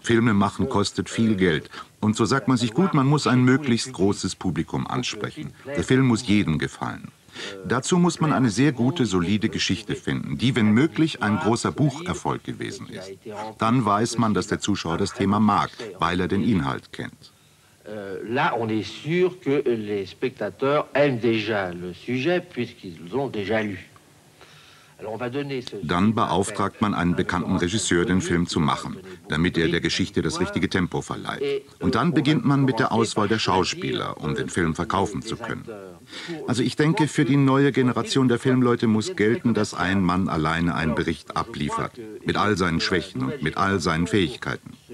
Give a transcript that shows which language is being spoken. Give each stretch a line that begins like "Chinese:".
German: Filme machen kostet viel Geld. Und so sagt man sich, gut, man muss ein möglichst großes Publikum ansprechen. Der Film muss jedem gefallen. Dazu muss man eine sehr gute, solide Geschichte finden, die, wenn möglich, ein großer Bucherfolg gewesen ist. Dann weiß man, dass der Zuschauer das Thema mag, weil er den Inhalt kennt.
French: Là, on est sûr que les spectateurs aiment déjà le sujet puisqu'ils ont déjà lu.
German: Dann beauftragt man einen bekannten Regisseur, den Film zu machen, damit er der Geschichte das richtige Tempo verleiht. Und dann beginnt man mit der Auswahl der Schauspieler, um den Film verkaufen zu können. Also ich denke, für die neue Generation der Filmleute muss gelten, dass ein Mann alleine einen Bericht abliefert, mit all seinen Schwächen und mit all seinen Fähigkeiten.